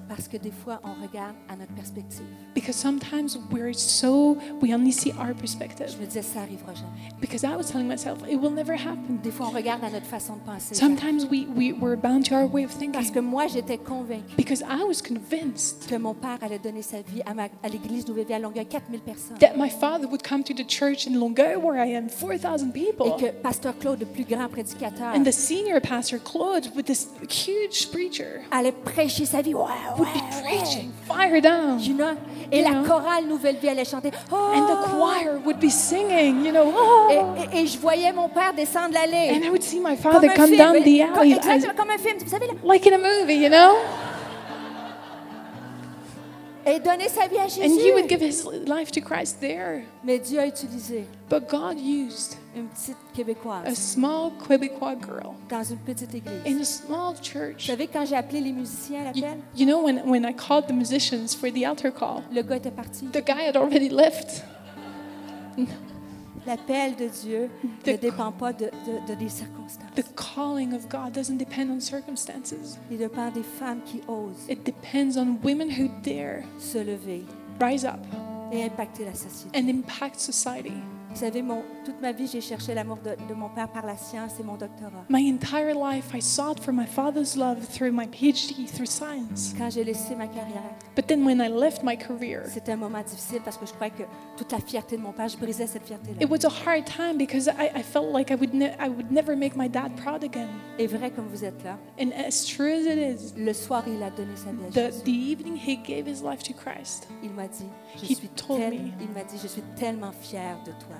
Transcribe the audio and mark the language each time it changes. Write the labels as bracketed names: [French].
[French] Parce que des fois on regarde à notre perspective. [English] Because sometimes we only see our perspective. [French] Je me disais ça arrivera jamais. [English] Because I was telling myself it will never happen. [French] Des fois on regarde à notre façon de penser. [English] Sometimes we were bound to our way of thinking. [French] Parce que moi j'étais convaincue. [English] Because I was convinced. [French] Que mon père allait donner sa vie à l'église Nouvelle Vie à Longueuil 4000 personnes. [English] That my father would come to the church in Longueuil where I am 4000 people. [French] Et que pasteur Claude le plus grand prédicateur. [English] And the senior pastor Claude with this huge preacher. [French] Allait prêcher sa vie. Wow. [English] Would be preaching, fire down. You know, [French] et la chorale Nouvelle Vie allait chanter. Oh. [English] And the choir would be singing, you know. Oh. [French] Et je voyais mon père descendre l'allée. [English] And I would see my father come down the alley. [French] Comme un film, vous savez là. [English] Like in a movie, you know. [French] Et donner sa vie à Jésus. [English] And he would give his life to Christ there. [French] Mais Dieu a utilisé. [English] But God used. [French] Une petite Québécoise. [English] A small Quebecois girl. [French] Dans une petite église. [English] In a small church. [French] Vous savez quand j'ai appelé les musiciens à l'appel? [English] You know when I called the musicians for the altar call. [French] Le gars était parti. [English] The guy had already left. [French] L'appel de Dieu ne dépend pas des circonstances. [English] The calling of God doesn't depend on circumstances. [French] Il dépend des femmes qui osent. [English] It depends on women who dare [French] se lever, [English] rise up, [French] et impacter la société. [English] And impact society. [French] Vous savez, toute ma vie, j'ai cherché l'amour de mon père par la science et mon doctorat. [English] My entire life, I sought for my father's love through my PhD, through science. [French] Quand j'ai laissé ma carrière. [English] But then when I left my career. [French] C'était un moment difficile parce que je croyais que toute la fierté de mon père, je brisais cette fierté-là. [English] It was a hard time because I felt like I would never make my dad proud again. [French] Et vrai comme vous êtes là. [English] And as true as it is. [French] Le soir, il a donné sa vie à Jésus. [English] The evening he gave his life to Christ. [French] Il m'a dit, il m'a dit, je suis tellement fier de toi.